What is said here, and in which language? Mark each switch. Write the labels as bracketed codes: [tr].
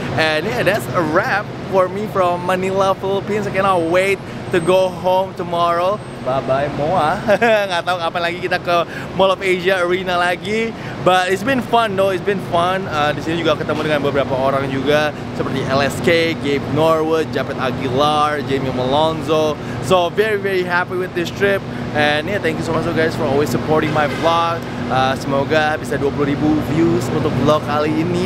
[en] And yeah, that's a wrap for me from Manila, Philippines. I cannot wait to go home tomorrow. Bye bye Moa. [id] Gak tahu kapan lagi kita ke Mall of Asia Arena lagi. [en] But it's been fun though, it's been fun. [id] Di sini juga ketemu dengan beberapa orang juga seperti LSK, Gabe Norwood, Japet Aguilar, Jamie Malonzo. [en] So very very happy with this trip. And yeah, thank you so much guys for always supporting my vlog. [id] Semoga bisa 20,000 views untuk vlog kali ini.